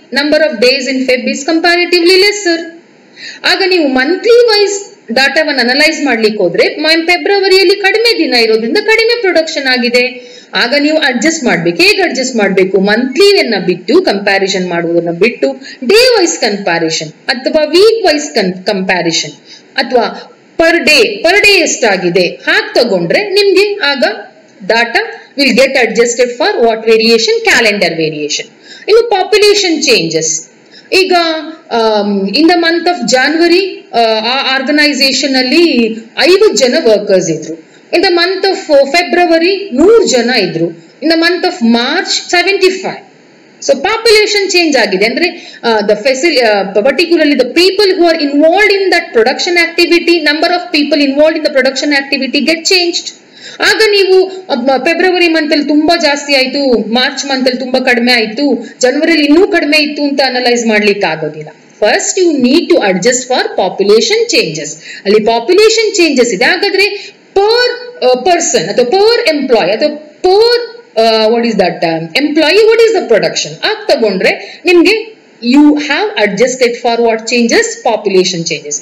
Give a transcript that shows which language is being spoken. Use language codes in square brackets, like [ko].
[en] Number of days in Feb is comparatively lesser. [kn] ಆಗ ನೀವು monthly wise ಡಾಟಾವನ್ನು analyse ಮಾಡ್ಲಿಕ್ಕೆ ಹೋದ್ರೆ ಫೆಬ್ರವರಿಯಲ್ಲಿ ಕಡಿಮೆ ದಿನ ಇರೋದ್ರಿಂದ ಕಡಿಮೆ ಪ್ರೊಡಕ್ಷನ್ ಆಗಿದೆ. ಆಗ ನೀವು ಅಡ್ಜಸ್ಟ್ ಮಾಡ್ಬೇಕು. ಹೇಗೆ ಅಡ್ಜಸ್ಟ್ ಮಾಡ್ಬೇಕು? ಮಂತ್ಲಿಯನ್ನ ಬಿಟ್ಟು ಕಂಪ್ಯಾರಿಸನ್ ಮಾಡುವುದನ್ನ ಬಿಟ್ಟು ಡೇ ವೈಸ್ ಕಂಪ್ಯಾರಿಸನ್ ಅಥವಾ ವೀಕ್ ವೈಸ್ ಕಂಪ್ಯಾರಿಸನ್ ಅಥವಾ ಪರ್ ಡೇ ಎಷ್ಟಾಗಿದೆ ಹಾಗೆ ತಗೊಂಡ್ರೆ ನಿಮ್ಗೆ ಆಗ data [en] will get adjusted for what variation? Calendar variation. In population changes. [kn] Iga [en] in the month of January organization [kn] alli 5 jana workers idru. [en] In the month of February 100 [kn] jana idru. [en] In the month of March 75. So population change [kn] agide andre [en] the facility, particularly the people who are involved in that production activity, number of people involved in the production activity get changed. [kn] ಆಗ ನೀವು February month ಅಲ್ಲಿ ತುಂಬಾ ಜಾಸ್ತಿ ಆಯ್ತು, March month ಅಲ್ಲಿ ತುಂಬಾ ಕಡಿಮೆ ಆಯ್ತು, ಜನವರಿಯಲ್ಲಿ ಇನ್ನೂ ಕಡಿಮೆ ಇತ್ತು ಅಂತ ಅನಲೈಸ್ ಮಾಡ್ಲಿಕ್ಕೆ ಆಗೋದಿಲ್ಲ. [en] First you need to adjust for population changes. ಅಲ್ಲಿ population changes ಇದೆ, [kn] ಹಾಗಾದ್ರೆ [en] per person ಅಥವಾ per employ ಅಥವಾ per what is that employee what is the production [kn] ಆಗ ತಗೊಂಡ್ರೆ ನಿಮ್ಗೆ [en] You have adjusted for what changes, population changes.